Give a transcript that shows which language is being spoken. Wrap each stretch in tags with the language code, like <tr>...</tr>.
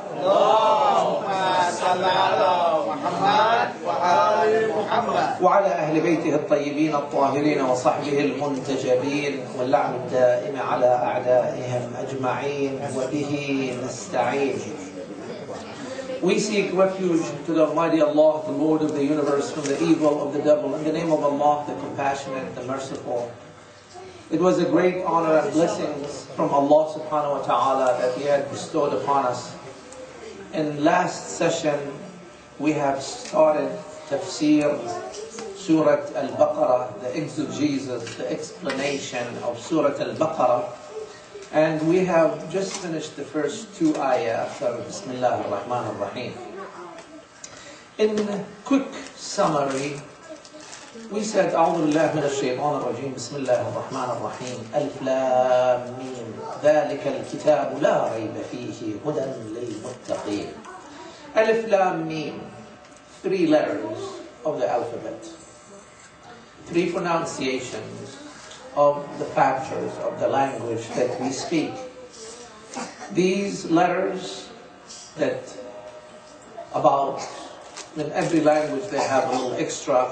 <ar>اللهم صل على محمد وآل محمد وعلى أهل بيته الطيبين الطاهرين وصحبه المنتجبين، واللعنة الدائمة على أعدائهم أجمعين، وبه نستعين.</ar> <en>We seek refuge to the Almighty Allah, the Lord of the universe, from the evil of the devil. In the name of Allah, the Compassionate, the Merciful. It was a great honor and blessings from Allah subhanahu wa ta'ala that He had bestowed upon us. In last session, we have started tafsir Surah Al-Baqarah, the exegesis, the explanation of Surah Al-Baqarah. And we have just finished the first two ayah after Bismillah ar-Rahman ar-Rahim. In quick summary, we said,</en> <ar>أعوذ بالله من الشيطان الرجيم بسم الله الرحمن الرحيم ألف لام ميم ذلك الكتاب لا ريب فيه هدى للمتقين. ألف لام ميم,</ar> <en>three letters of the alphabet, three pronunciations of the factors of the language that we speak. These letters that about in every language they have a little extra.</en>